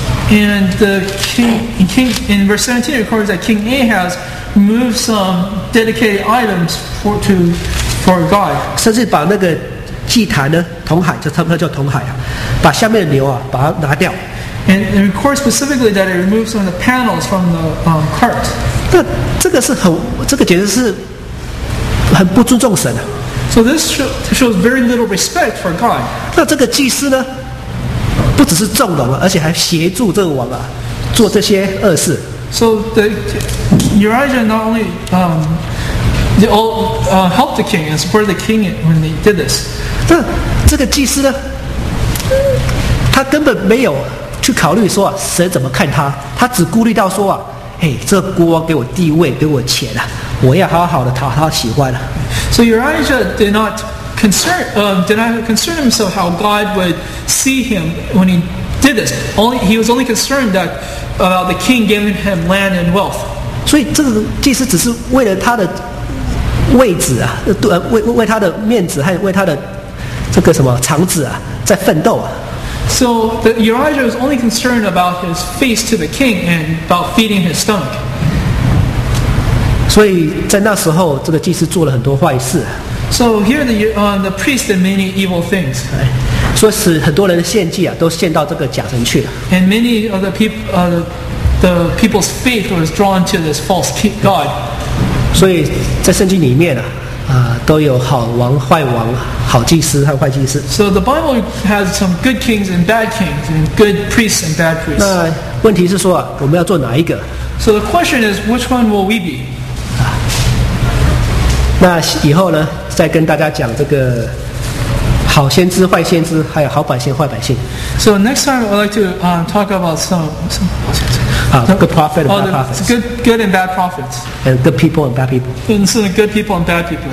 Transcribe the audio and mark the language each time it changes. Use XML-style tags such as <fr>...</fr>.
<en>And the king in verse 17 records that King Ahaz moved some dedicated items for God.</en> <zh>甚至把那个祭坛呢，铜海就差不多叫铜海啊，把下面的牛啊，把它拿掉。</zh> <en>And it records specifically that it removes some of the panels from the cart.</en> <zh>那这个是很，这个简直是很不尊重神啊。</zh> <en>So this shows very little respect for God.</en> <zh>那这个祭司呢，不只是纵容了，而且还协助这个王啊，做这些恶事。</zh> <en>So the Urijah not only helped the king and supported the king when they did this.</en> <zh>那这个祭司呢，他根本没有。去考虑说、啊、神怎么看他，他只顾虑到说啊，嘿，这国王给我地位，给我钱啊，我要好好的讨他喜欢啊。</zh> <en>So Urijah did not concern himself how God would see him when he did this. Only he was only concerned that about the king giving him land and wealth.</en> <zh>所以这个祭司只是为了他的位置啊，为他的面子，还为他的这个什么肠子啊，在奋斗啊。</zh> <en>So the Urijah was only concerned about his face to the king and about feeding his stomach.</en> <zh>所以在那时候，这个祭司做了很多坏事。</zh> <en>So here the priest did many evil things.</en> <zh>所以使很多人的献祭啊，都献到这个假神去了。</zh> <en>And many of the people's faith was drawn to this false god.</en> <zh>所以在圣经里面啊。都有好王、坏王、好祭司和坏祭司。</zh> <en>So the Bible has some good kings and bad kings, and good priests and bad priests.</en> <zh>那问题是说啊，我们要做哪一个</zh> <en>？So the question is, which one will we be?</en> <zh>那以后呢，再跟大家讲这个好先知、坏先知，还有好百姓、坏百姓。</zh> <en>So next time, I'd like to talk about some. Good prophet and bad prophets. Good and bad prophets. And good people and bad people. And some good people and bad people.</en>